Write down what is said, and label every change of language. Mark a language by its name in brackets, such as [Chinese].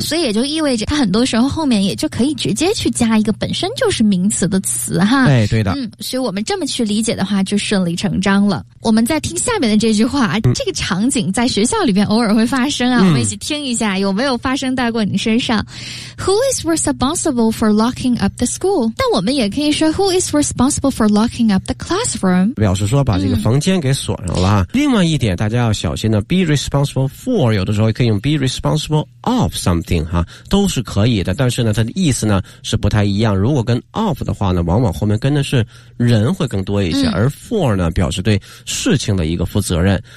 [Chinese] 所以也就意味着他很多时候后面也就可以直接去加一个本身就是名词的词哈。哎，对的。嗯，所以我们这么去理解的话就顺理成章了。我们再听下面的这句话，这个场景在学校里面偶尔会发生啊，我们一起听一下有没有发生到过你身上。 [English] Who is responsible for locking up the school? 但我们也可以说 Who is responsible for locking up the classroom? [Chinese] 表示说把这个房间给锁上了。另外一点大家要小心的 [English] be responsible for, [Chinese] 有的时候可以用 [English] be responsible of something, [Chinese] 哈，都是可以的，但是呢它的意思呢是不太一样。如果跟 of 的话呢往往后面跟的是人会更多一些，而 for 呢表示对事情的一个负责任。